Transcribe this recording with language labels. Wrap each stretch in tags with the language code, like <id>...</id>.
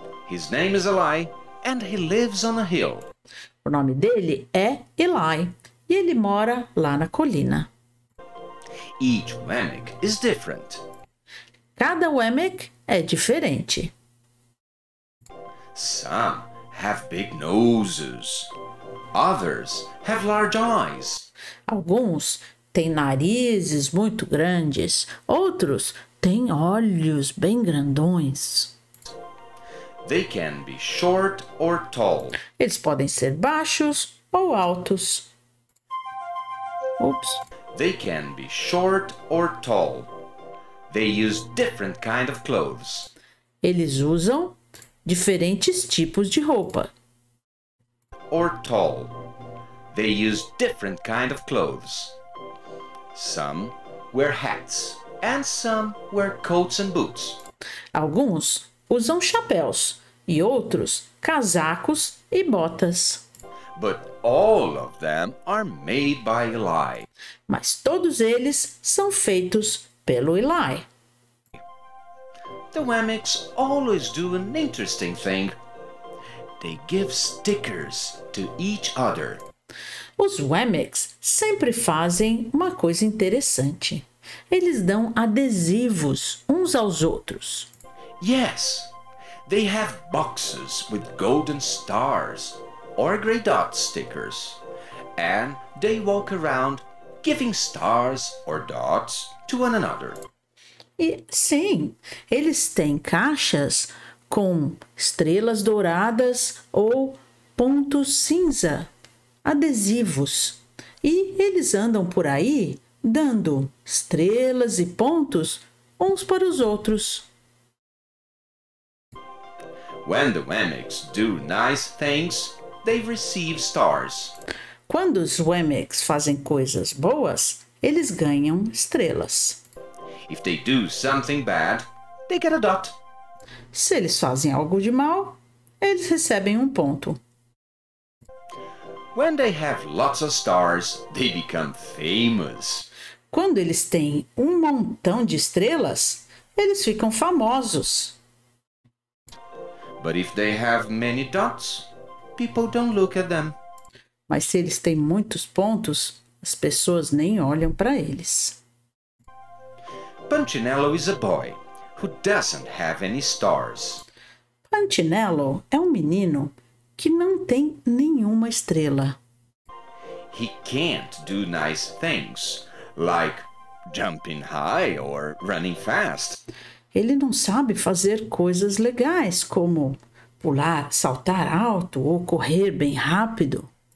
<en>His name is Eli, and he lives on a hill.</en> <pt>O nome dele é Eli, e ele mora lá na colina.</pt> <en>Each Wemmick is different.</en> <pt>Cada Wemmick é diferente.</pt> <en>Some have big noses. Others have large eyes.</en> <pt>Alguns têm narizes muito grandes. Outros têm olhos bem grandões.</pt> <en>They can be short or tall.</en> <pt>Eles podem ser baixos ou altos.</pt> <en>Oops. They can be short or tall. They use different kind of clothes.</en> <pt>Eles usam diferentes tipos de roupa.</pt> <en>Or tall. They use different kind of clothes. Some wear hats and some wear coats and boots.</en> <pt>Alguns usam chapéus. e outros casacos e botas.</pt> <en>But all of them are made by Eli.</en> <pt>Mas todos eles são feitos pelo Eli.</pt> <en>The Wemmicks always do an interesting thing. They give stickers to each other.</en> <pt>Os Wemmicks sempre fazem uma coisa interessante. Eles dão adesivos uns aos outros.</pt> <en>Yes, they have boxes with golden stars or gray dot stickers. And they walk around giving stars or dots to one another.</en> <pt>E sim, eles têm caixas com estrelas douradas ou pontos cinza, adesivos. E eles andam por aí dando estrelas e pontos uns para os outros.</pt> <en>When the Wemmicks do nice things, they receive stars.</en> <pt>Quando os Wemmicks fazem coisas boas, eles ganham estrelas.</pt> <en>If they do something bad, they get a dot.</en> <pt>Se eles fazem algo de mal, eles recebem um ponto.</pt> <en>When they have lots of stars, they become famous.</en> <pt>Quando eles têm um montão de estrelas, eles ficam famosos.</pt> <en>But if they have many dots, people don't look at them.</en> <pt>Mas se eles têm muitos pontos, as pessoas nem olham para eles.</pt> <en>Punchinello is a boy who doesn't have any stars.</en> <pt>Punchinello é um menino que não tem nenhuma estrela.</pt> <en>He can't do nice things, like jumping high or running fast.</en> <pt>Ele não sabe fazer coisas legais, como pular, saltar alto ou correr bem rápido.</pt>